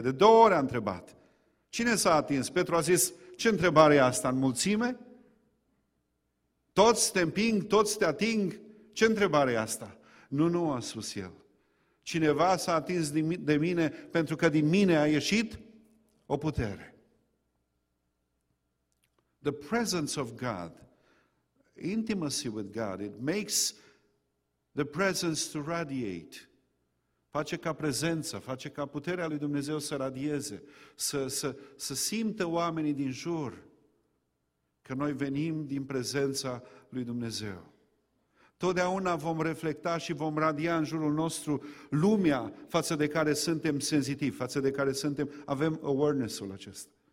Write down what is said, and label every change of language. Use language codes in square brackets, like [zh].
[ro] De două ori a întrebat. Cine s-a atins? Petru a zis, ce întrebare e asta? În mulțime? Toți te împing, toți te ating? Ce întrebare e asta? Nu, a spus el. Cineva s-a atins de mine pentru că din mine a ieșit o putere. [en] The presence of God, intimacy with God, it makes the presence to radiate. [ro] Face ca prezența, face ca puterea lui Dumnezeu să radieze, să simtă oamenii din jur că noi venim din prezența lui Dumnezeu. Totdeauna vom reflecta și vom radia în jurul nostru lumea față de care suntem sensitivi, față de care suntem, avem awareness-ul acesta.